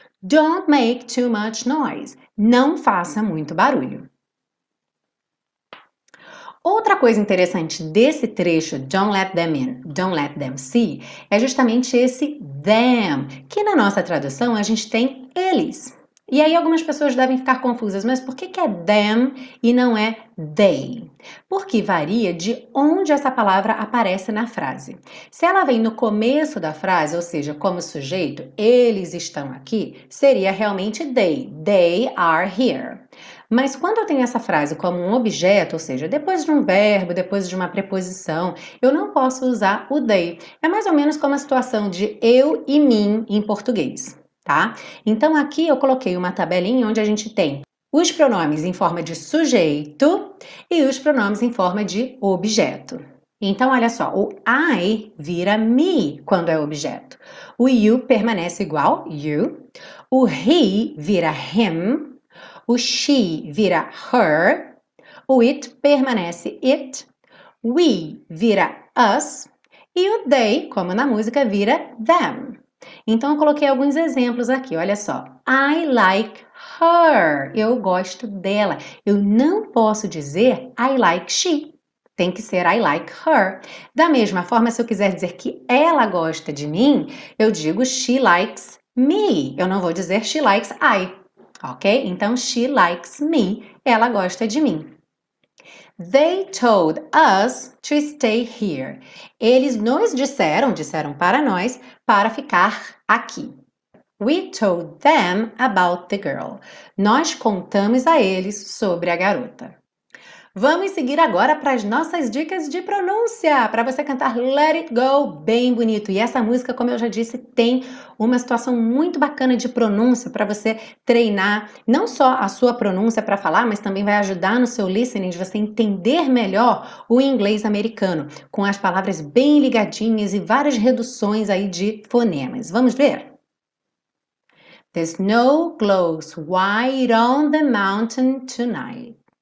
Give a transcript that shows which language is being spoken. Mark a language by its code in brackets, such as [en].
[en] Don't make too much noise. [pt] Não faça muito barulho. Outra coisa interessante desse trecho, [en] don't let them in, don't let them see, [pt] é justamente esse them, que na nossa tradução a gente tem eles. E aí algumas pessoas devem ficar confusas, mas por que que é them e não é they? Porque varia de onde essa palavra aparece na frase. Se ela vem no começo da frase, ou seja, como sujeito, eles estão aqui, seria realmente [en] they are here. [pt] Mas quando eu tenho essa frase como um objeto, ou seja, depois de um verbo, depois de uma preposição, eu não posso usar o they. É mais ou menos como a situação de eu e mim em português, tá? Então aqui eu coloquei uma tabelinha onde a gente tem os pronomes em forma de sujeito e os pronomes em forma de objeto. Então olha só, o I vira me quando é objeto. O you permanece igual, you. O he vira him. O she vira her, o it permanece it, we vira us e o they, como na música, vira them. Então eu coloquei alguns exemplos aqui, olha só. [en] I like her, [pt] eu gosto dela. Eu não posso dizer [en] I like she, [pt] tem que ser [en] I like her. [pt] Da mesma forma, se eu quiser dizer que ela gosta de mim, eu digo [en] she likes me, [pt] eu não vou dizer [en] she likes I. [pt] Ok? Então, [en] she likes me. [pt] Ela gosta de mim. [en] They told us to stay here. [pt] Eles nos disseram para nós, para ficar aqui. [en] We told them about the girl. [pt] Nós contamos a eles sobre a garota. Vamos seguir agora para as nossas dicas de pronúncia, para você cantar Let It Go bem bonito. E essa música, como eu já disse, tem uma situação muito bacana de pronúncia para você treinar não só a sua pronúncia para falar, mas também vai ajudar no seu listening de você entender melhor o inglês americano, com as palavras bem ligadinhas e várias reduções aí de fonemas. Vamos ver? [en] The snow glows white on the mountain tonight.